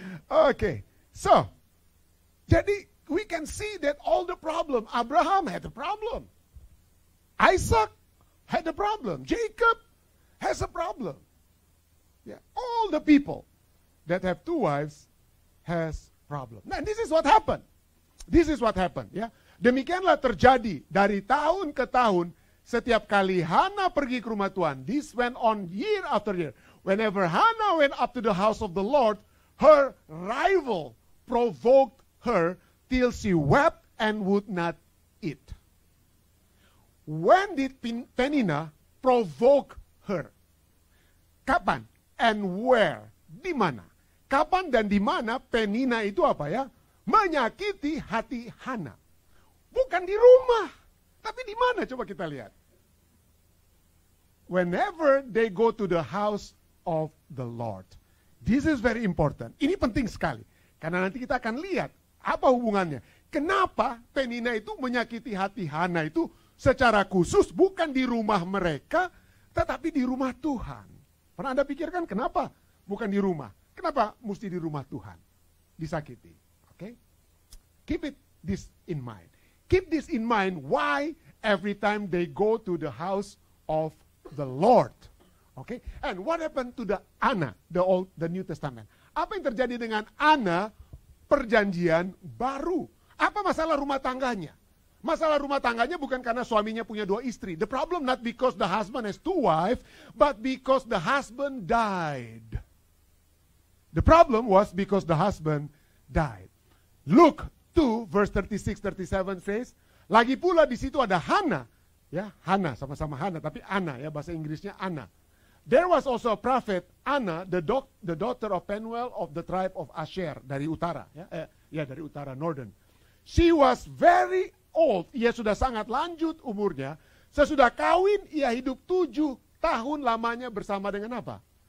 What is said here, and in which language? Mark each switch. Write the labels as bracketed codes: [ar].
[en] Okay, so, jadi, we can see that all the problem, Abraham had a problem. Isaac had a problem. Jacob has a problem. Yeah. All the people that have two wives has problem. Now, this is what happened. This is what happened. Yeah. [id] Demikianlah terjadi dari tahun ke tahun, setiap kali Hana pergi ke rumah Tuhan. [en] This went on year after year. Whenever Hana went up to the house of the Lord, her rival provoked her till she wept and would not eat. When did Penina provoke her? [id] Kapan? [en] And where? [id] Di mana? Kapan dan di mana Penina itu apa ya? Menyakiti hati Hana. Bukan di rumah, tapi di mana? Coba kita lihat. [en] Whenever they go to the house of the Lord. This is very important. [id] Ini penting sekali. Karena nanti kita akan lihat apa hubungannya? Kenapa Penina itu menyakiti hati Hana itu secara khusus bukan di rumah mereka, tetapi di rumah Tuhan. Pernah Anda pikirkan kenapa bukan di rumah? Kenapa mesti di rumah Tuhan disakiti? Okay? [en] Keep it this in mind. Keep this in mind why every time they go to the house of the Lord. Okay? And what happened to the Anna, the New Testament? [id] Apa yang terjadi dengan Anna perjanjian baru? Apa masalah rumah tangganya? Masalah rumah tangganya bukan karena suaminya punya dua istri. [en] The problem not because the husband has two wives, but because the husband died. The problem was because the husband died. Luke 2 verse 36-37 says, [id] lagi pula di situ ada Hana, ya, Hana sama-sama Hana tapi Anna ya, bahasa Inggrisnya Anna. [en] There was also a prophet, Anna, the daughter of Penuel of the tribe of Asher, [id] dari utara, ya, dari utara, [en] northern. She was very old, [id] ia sudah sangat lanjut umurnya. Sesudah kawin, ia hidup 7 tahun lamanya bersama dengan apa?